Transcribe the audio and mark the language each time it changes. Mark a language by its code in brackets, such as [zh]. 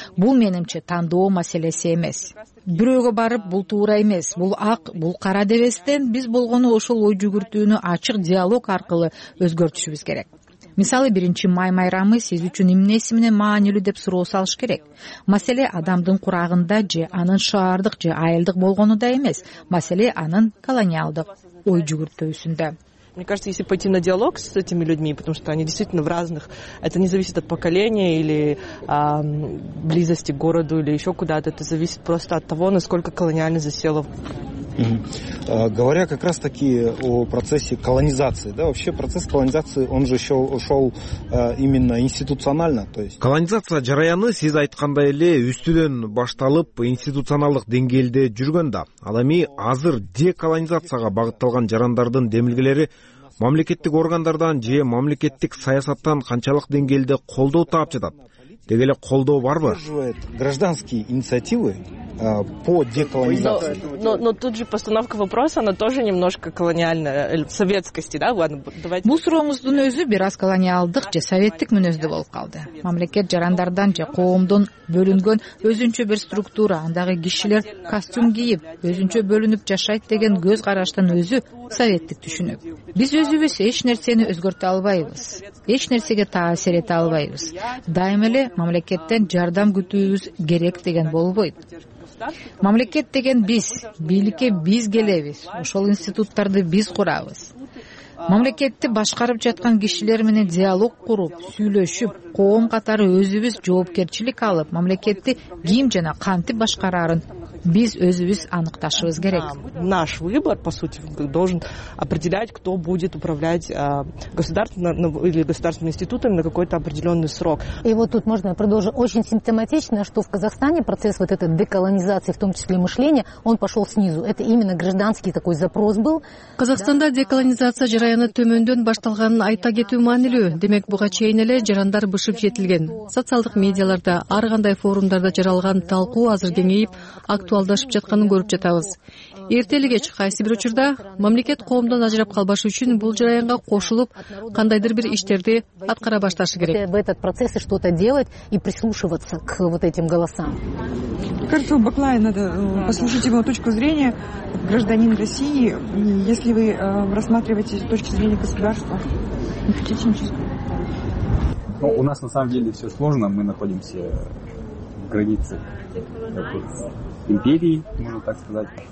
[ky] Бул менимче тандоо маселеси эмес. Бирөөгө барып бул туура эмес, бул ак, бул кара дебестен биз болгону ошол ой жүгүртүүнү ачык диалог аркылуу өзгөртүшүбүз керек. Мисалы, 1 май майрамы сиз үчүн эмнеси менен маанилүү деп суроо салыш керек. Маселе адамдын курагында же анын шаардык же айылдык болгонуда эмес, маселе анын колониалдык ой жүгүртүүсүндө. [ru] Мне кажется, если пойти на диалог с этими людьми, потому что они действительно в разных, это не зависит от поколения или близости к городу или еще куда-то, это зависит просто от того, насколько колониально засело. Говоря как раз-таки о процессе колонизации, да, вообще процесс колонизации, он же еще ушел именно институционально, то есть. [ky] Колонизация жараяны сиз айткандай эле үстүнөн башталып институционалдык деңгээлде жүргөн да. Ал эми азыр деколонизацияга багытталган жарандардын демилгелери мамлекеттик органдардан же мамлекеттик саясаттан канчалык деңгээлде колдоо таап жатат? Деги эле колдоо барбы? [ru] Гражданские инициативы по деколонизации. Но тут же постановка вопроса, она тоже немножко колониальная, советскости, да? Ладно, давайте. [ky] Бул сурооңуздун өзү бир аз колониалдык же советтик мүнөздүү болуп калды. Мамлекет жарандардан же коомдон бөлүнгөн өзүнчө бир структура, андагы кишилер костюм кийип, өзүнчө бөлүнүп жашайт деген көз караштын өзү советтик түшүнүк. Биз өзүбүз эч нерсени өзгөртө албайбыз. Эч нерсеге таасир эте албайбыз. Дайым эле мамлекеттен жардам күтүүбүз керек деген болбойт. Мамлекет деген биз, бийликке биз келебиз, ошол институттарды биз курабыз. Мамлекетти башкарып жаткан кишилер менен диалог куруп, сүйлөшүп, коом катары өзүбүз жоопкерчилик алып, мамлекетти ким жана кантип башкарарын биз өзүбүз аныкташыбыз керек. [ru] Наш выбор, по сути, должен определять, кто будет управлять государственным или государственными институтами на какой-то определенный срок. И вот тут можно продолжить. Очень симптоматично, что в Казахстане процесс вот этой деколонизации, в том числе мышления, он пошел снизу. Это именно гражданский такой запрос был. [ky] Казахстанда деколонизация жараяны төмөндөн башталганын айта кетүү маанилүү. Демек, буга чейин эле жарандар бышып жетилген. Социалдык медиаларда, ар кандай форумдарда жаралган талкуу азыр кеңейип, актуалдашып жатканын көрүп жатабыз. Эрте эле кеч кайсы бир учурда мамлекет коомдон ажырап калбашы үчүн бул жараянга кошулуп кандайдыр бир иштерди аткара башташы керек. [ru] В этот процесс что-то делать и прислушиваться к вот этим голосам. Кажется, Баклай, надо послушать его точку зрения гражданин России, если вы рассматриваете с точки зрения государства. Ну, у нас на самом деле все сложно, мы находимся в границе империи, можно так сказать.